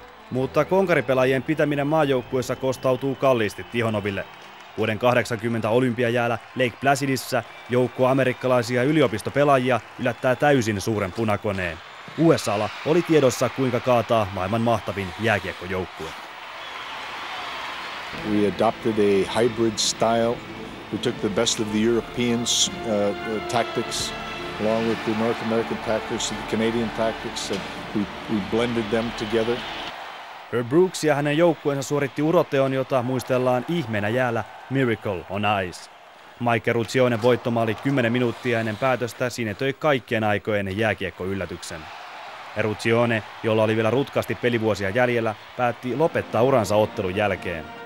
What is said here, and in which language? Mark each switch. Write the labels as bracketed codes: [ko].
[fi] Mutta konkaripelaajien pitäminen maajoukkueessa kostautuu kalliisti Tihonoville. Vuoden 80 olympiajäällä Lake Placidissa joukko amerikkalaisia yliopistopelaajia yllättää täysin suuren punakoneen. USA:lla oli tiedossa, kuinka kaataa maailman mahtavin jääkiekkojoukkue. [en] We adopted a hybrid style. We took the best of the Europeans' tactics along with the North American tactics and the Canadian tactics and we blended them together. [fi] Herb Brooks ja hänen joukkueensa suoritti uroteon, jota muistellaan ihmeenä jäällä Miracle on Ice. Mike Ruzzioinen voittomaali 10 minuuttia ennen päätöstä sinetöi kaikkien aikojen jääkiekkoyllätyksen. Ruzzioinen, jolla oli vielä rutkasti pelivuosia jäljellä, päätti lopettaa uransa ottelun jälkeen.